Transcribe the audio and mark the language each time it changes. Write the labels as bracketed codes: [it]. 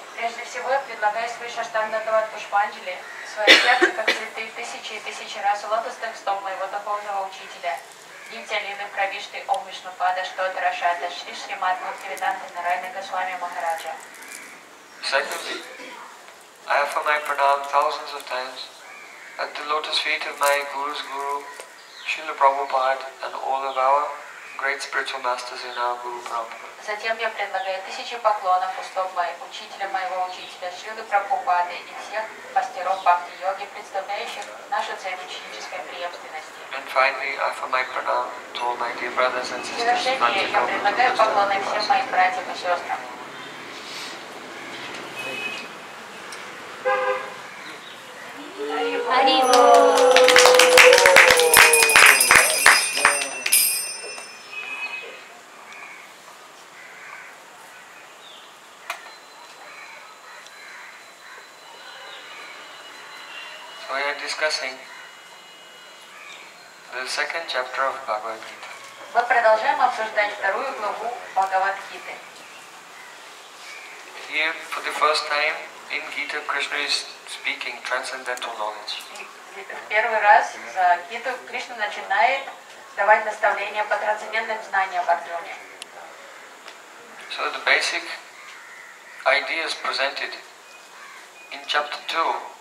[ru] Прежде всего, предлагаю свои шаштангадават пушпанджали, свое сердце, как цветы, тысячи и тысячи раз лотосных стоп моего духовного учителя. [sa] Нитя лины правишты ом вишнупада, что дарашата, шри шри мат, мурти веданты, нарайны гасвами махараджа. [en] Secondly, I offer my pranam thousands of times at the lotus feet of my guru's guru, Srila Prabhupada, and all of our great spiritual masters in our guru Prabhupada. [ru] Затем я предлагаю тысячи поклонов у стоп учителя моего учителя Шрилы Прабхупады и всех мастеров бхакти-йоги, представляющих нашу цель ученической преемственности. [en] And finally, I offer my pranam to all my dear brothers and sisters. [ru] И в завершение я предлагаю поклоны всем моим братьям и сестрам. Ариво! [en] Discussing the second chapter of Bhagavad-Gita. [ru] Мы продолжаем обсуждать вторую главу Бхагавад-Гиты. [en] Here, for the first time in Gita, Krishna is speaking transcendental knowledge. [ru] В первый раз за Гиту Кришна начинает давать наставления по трансцендентным знаниям в Арджуне. [en] So the basic ideas presented in chapter 2.